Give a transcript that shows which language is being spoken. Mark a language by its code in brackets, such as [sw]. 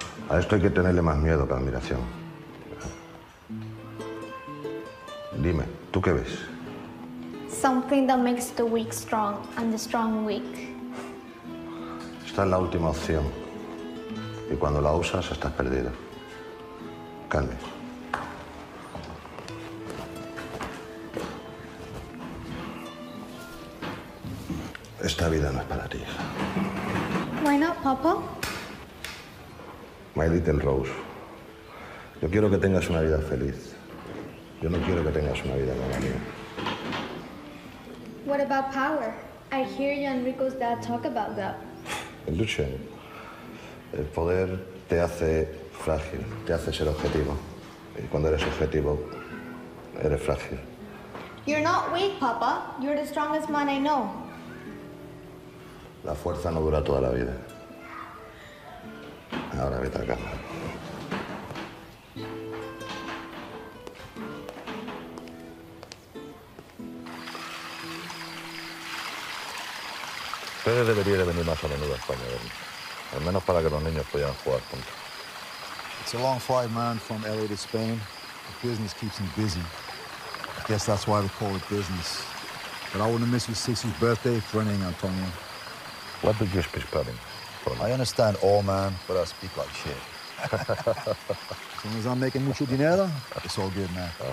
[es] A esto hay que tenerle más miedo que admiración. Dime, ¿tú qué ves? [en] Something that makes the weak strong and the strong weak. [es] Esta es la última opción. Y cuando la usas, estás perdido. Calme. Esta vida no es para ti. [en] Why not, Papa? My little Rose. [es] Yo quiero que tengas una vida feliz. Yo no quiero que tengas una vida como mía. [en] What about power? I hear you and Rico's dad talk about that. Illusion. [es] El poder te hace frágil, te hace ser objetivo. Y cuando eres objetivo, eres frágil. [en] You're not weak, Papa. You're the strongest man I know. [es] La fuerza no dura toda la vida. Ahora vete a la cama. Ustedes deberían venir más a menudo a España, al menos para que los niños pudieran jugar juntos. [en] It's a long flight, man, from LA to Spain. The business keeps me busy. I guess that's why we call it business. But I wouldn't miss your sister's birthday for anything, Antonio. What did you speak Spanish from? I understand all, man, but I speak like shit. As long as I'm making [es] mucho dinero, [en] it's all good, man.